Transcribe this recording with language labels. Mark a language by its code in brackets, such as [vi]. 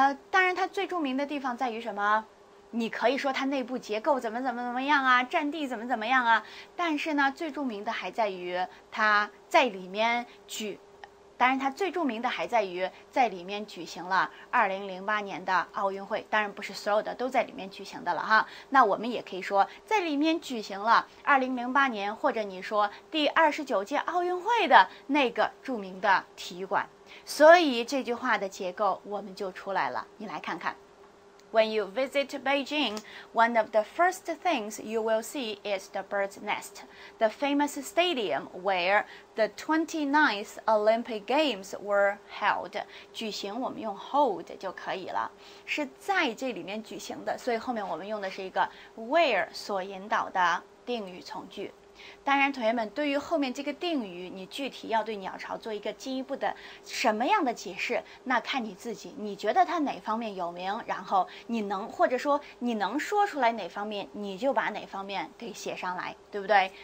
[zh] 当然它最著名的地方在于什么？你可以说它内部结构怎么怎么怎么样啊，占地怎么怎么样啊，但是呢最著名的还在于它在里面举，当然它最著名的还在于在里面举行了2008年的奥运会，当然不是所有的都在里面举行的了哈。那我们也可以说在里面举行了2008年，或者你说第29届奥运会的那个著名的体育馆。所以这句话的结构我们就出来了，你来看看。 [en] When you visit Beijing, one of the first things you will see is the bird's nest, the famous stadium where the 29th Olympic Games were held. [zh] 举行我们用 [en] hold [zh] 就可以了，是在这里面举行的，所以后面我们用的是一个 where 所引导的定语从句。当然同学们，对于后面这个定语，你具体要对鸟巢做一个进一步的什么样的解释，那看你自己，你觉得它哪方面有名，然后你能，或者说你能说出来哪方面，你就把哪方面给写上来，对不对？